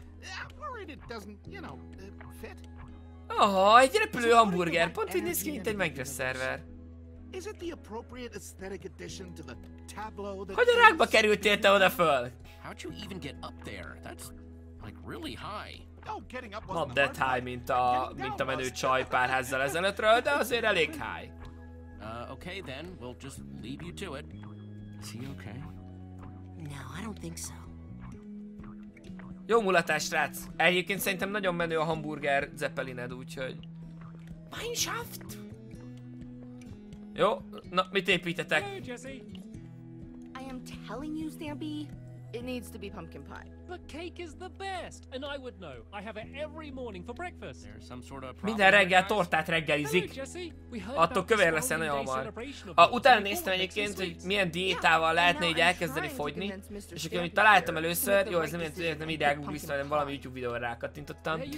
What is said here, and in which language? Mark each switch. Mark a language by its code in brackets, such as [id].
[en] I'm worried it doesn't, you know, fit. [hu] Aha, egy repülő hamburger, pont így néz ki, mint egy Minecraft szerver. [en] Is it the appropriate aesthetic addition to the tableau that... [hu] Hogy a rákba kerültél te oda föl? [en] How'd you even get up there? That's like really high. Not that high, [hu] mint a menő csaj pár házzal ezelőttről, de azért elég high. [en] Okay then, we'll just leave you to it. Is he okay? No, I don't think so. [hu] Jó mulatás, srác. Egyébként szerintem nagyon menő a hamburger zeppelined, úgyhogy... Mineshaft? Jó, na, mit építetek? [en] Hello, Jesse. I am telling you, Stampy. It needs to be pumpkin pie. But cake is the best, and I would know. I have it every morning for breakfast. There's some sort of problem. [hu] Minden reggel tortát reggelizik. Attól kövér leszel nagyon hamar. Utána néztem egyébként, hogy milyen diétával lehetne így elkezdeni fogyni. És akkor, amit találtam először, jó, ez nem ideál, úgy biztos, hanem valami YouTube videóra rákattintottam.